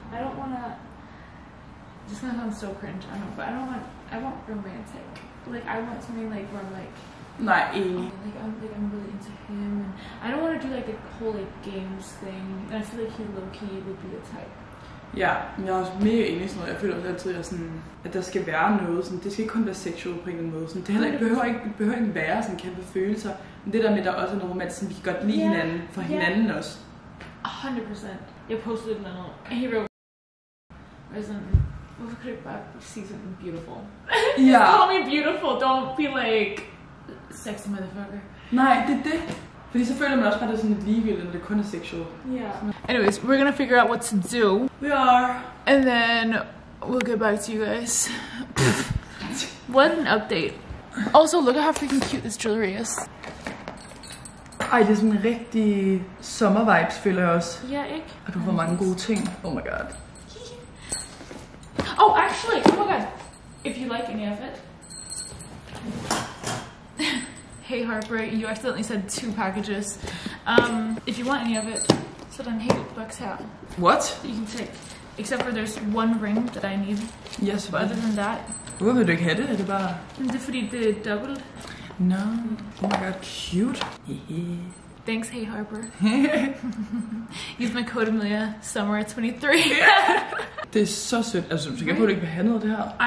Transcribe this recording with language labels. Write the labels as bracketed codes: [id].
[en] I don't wanna, this is gonna sound so cringe, I know, but I want romantic. Like, I want something like, where I'm like, not E. I'm really into him, and I don't want to do like a whole like games thing. And I feel like he low key would be the type. [da] Yeah, men jeg er også mega enig sådan. Jeg føler også altid, at sådan at der skal være noget sådan. Det skal ikke kun være sexual på en måde. Sådan det heller ikke behøver ikke være sådan kæmpe følelser. Men det der med der også er noget romantisk, sådan vi kan godt lide hinanden for hinanden også. 100%. Jeg postede den anden. [en] He wrote, [da] "Hvad sådan? Hvorfor kan du bare sige sådan beautiful? [en] Yeah. Call me beautiful. Don't be like." Sexy motherfucker. [da] Nej, det er det. Fordi så føler man også bare, det er sådan et ligegyldigt, når det kun er sexual. [en] Yeah. Anyways, we're gonna figure out what to do. We are. And then we'll get back to you guys. What an update. Also, look at how freaking cute this jewelry is. [da] Ej, det er sådan en rigtig sommer-vibes, føler jeg også. Ja, yeah, ikke? Og du får mange gode ting. [en] Oh my god. Oh, actually, oh my god. If you like any of it. Hey Harper, you accidentally said 2 packages. If you want any of it, so then hey, bucks out. What? You can take. Except for there's one ring that I need. Yes, but other than that. [da] Hvorfor vil du ikke have det? Er det bare? Det er fordi det er dobbelt. [en] No. Oh my god, cute. Thanks, Hey Harper. Use my code Amelia summer 23. [da] Det er så sødt. Altså, så kan du ikke behandle det her?